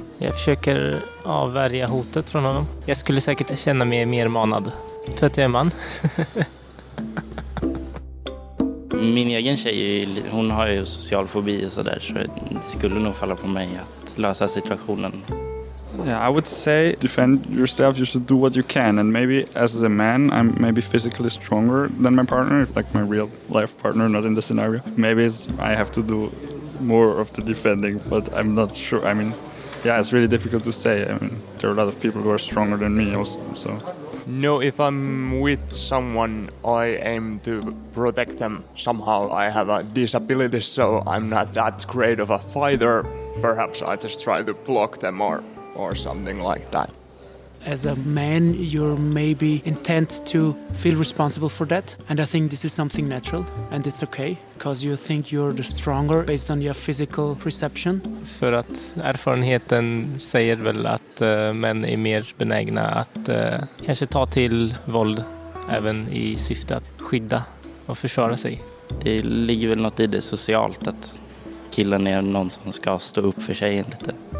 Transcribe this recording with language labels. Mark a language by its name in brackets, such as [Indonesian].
[Swedish] Jag försöker avvärja hotet från honom. Jag skulle säkert känna mig mer manad för att jag är man. Min egen tjej, hon har ju social fobi och sådär, så det skulle nog falla på mig att lösa situationen [English] Yeah, I would say defend yourself. You should do what you can. And maybe as a man, I'm maybe physically stronger than my partner, like my real life partner, not in the scenario. Maybe it's, I have to do more of the defending, but I'm not sure. I mean, yeah, it's really difficult to say. I mean, there are a lot of people who are stronger than me also, so... No, if I'm with someone, I aim to protect them somehow. I have a disability, so I'm not that great of a fighter. Perhaps I just try to block them or something like that. As a man, you're maybe intent to feel responsible for that. And I think this is something natural, and it's okay, because you think you're the stronger based on your physical perception. [Swedish] För att erfarenheten säger väl att män är mer benägna att kanske ta till våld även i syfte att skydda och försvara sig. Det ligger väl något i det socialt, att killen är någon som ska stå upp för tjejen lite.